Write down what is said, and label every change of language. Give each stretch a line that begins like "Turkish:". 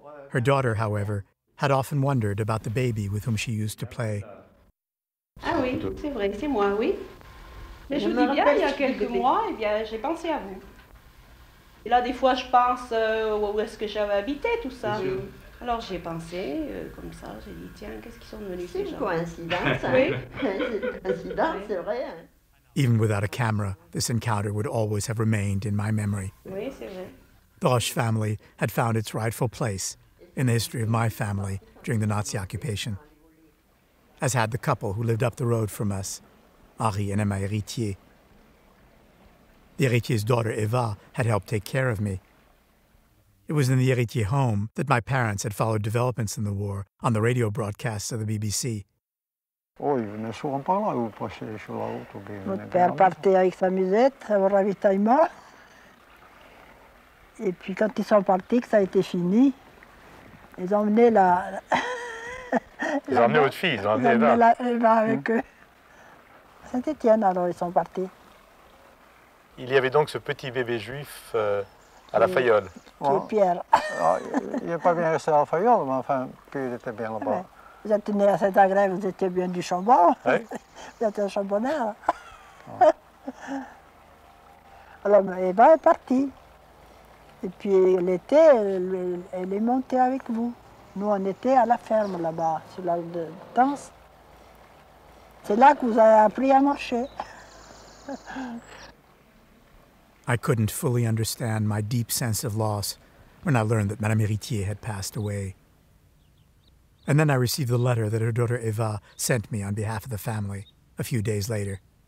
English: Her daughter, however, had often wondered about the baby with whom she used to play.
French: Ah oui, c'est vrai, c'est moi, oui. Mais je vous dis bien, il y a quelques mois, eh bien, j'ai pensé à vous. Et là, des fois, je pense où est-ce que j'avais habité, tout ça. Oui. Alors j'ai pensé, comme ça, j'ai dit, tiens, qu'est-ce qu'ils sont devenus ces gens? C'est une coïncidence, oui. Coïncidence, c'est vrai.
English: Even without a camera, this encounter would always have remained in my memory.
French: Oui, c'est vrai.
English: The Roche family had found its rightful place in the history of my family during the Nazi occupation, as had the couple who lived up the road from us, Henri and Emma Héritier. The Héritier's daughter, Eva, had helped take care of me. It was in the Héritier home that my parents had followed developments in the war on the radio broadcasts of the BBC.
French: Oh, ils venaient souvent par là, ils passaient les choses là-haut. Mon père partait avec sa musette, au ravitaillement. Et puis quand ils sont partis, que ça a été fini, ils ont emmené la... Ils ont emmené votre fille, ils ont emmené Eva. Ils ont emmené Eva avec eux. Saint-Étienne, alors, ils sont partis. Il y avait donc ce petit bébé juif... À La Fayolle. Qui est Pierre. Il n'est pas bien resté à La Fayolle, mais enfin, puis il était bien là-bas. Mais vous êtes né à Saint-Agrès, vous étiez bien du Chambon. Oui. Vous êtes un Chambonnais. Hein. Oh. Alors, Eva est partie. Et puis l'été, elle est montée avec vous. Nous, on était à la ferme là-bas, sur la danse. C'est là que vous avez appris à marcher.
English: I couldn't fully understand my deep sense of loss when I learned that Madame Héritier had passed away. And then I received the letter that her daughter Eva sent me on behalf of the family a few days later.